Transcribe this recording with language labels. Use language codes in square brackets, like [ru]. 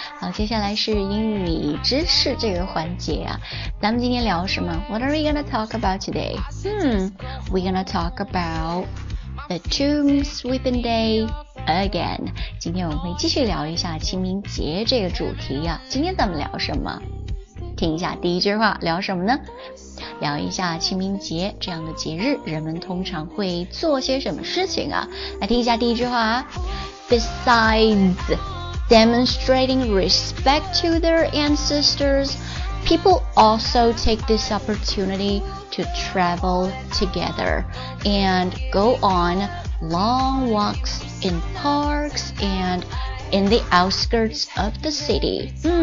[zh] 好，接下来是英语知识这个环节啊，咱们今天聊什么？ [en] What are we gonna talk about today? We're gonna talk about the tomb sweeping day again。 [zh] 今天我们会继续聊一下清明节这个主题啊。今天咱们聊什么？听一下第一句话，聊什么呢？聊一下清明节这样的节日，人们通常会做些什么事情啊？来听一下第一句话啊。 [en] Besides demonstrating respect to their ancestors, people also take this opportunity to travel together and go on long walks in parks and in the outskirts of the city.